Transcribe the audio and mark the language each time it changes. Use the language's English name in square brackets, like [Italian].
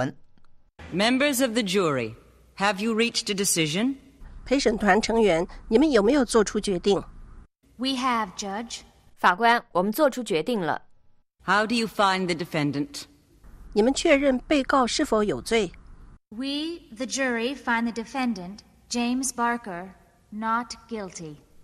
[English] of the jury, have you reached a decision? [Chinese] 陪审团成员，你们有没有做出决定？ [English] We have, Judge. [Chinese] 法官，我们做出决定了。 How do you find the defendant? 你们确认被告是否有罪？ [English] We, the jury, find the defendant, James Barker, not guilty.